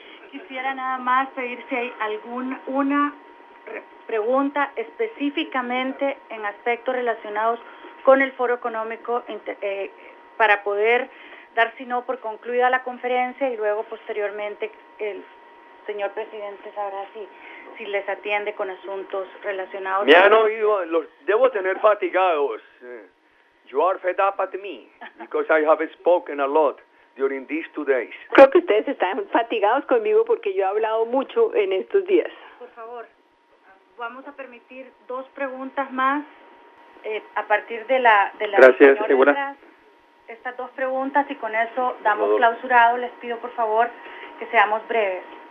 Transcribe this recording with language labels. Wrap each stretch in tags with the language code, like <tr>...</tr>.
<es>Quisiera nada más pedir si hay alguna pregunta específicamente en aspectos relacionados con el Foro Económico para poder dar, si no, por concluida la conferencia y luego posteriormente el señor presidente sabrá si les atiende con asuntos relacionados. Me han oído, los debo tener fatigados.</es> <en>You are fed up at me because I have spoken a lot during these 2 days.</en> <es>Creo que ustedes están fatigados conmigo porque yo he hablado mucho en estos días. Por favor, vamos a permitir 2 preguntas más a partir de la gracias, señora. Estas 2 preguntas y con eso damos clausurado. Les pido, por favor, que seamos breves.</es>